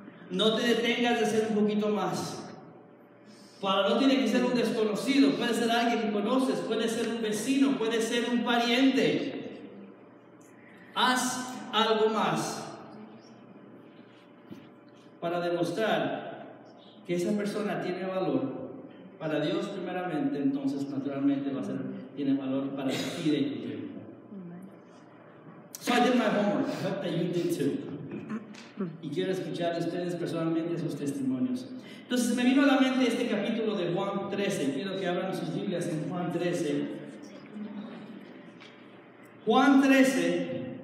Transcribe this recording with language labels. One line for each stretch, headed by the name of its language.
Spanish: No te detengas de hacer un poquito más. Para no tiene que ser un desconocido, puede ser alguien que conoces, puede ser un vecino, puede ser un pariente. Haz algo más para demostrar que esa persona tiene valor para Dios primeramente, entonces naturalmente va a ser, tiene valor para ti de tu tiempo.
English: So I did my homework. I hope that you did too.
Spanish: Y quiero escuchar a ustedes personalmente sus testimonios. Entonces me vino a la mente este capítulo de Juan 13. Quiero que abran sus Biblias en Juan 13. Juan 13.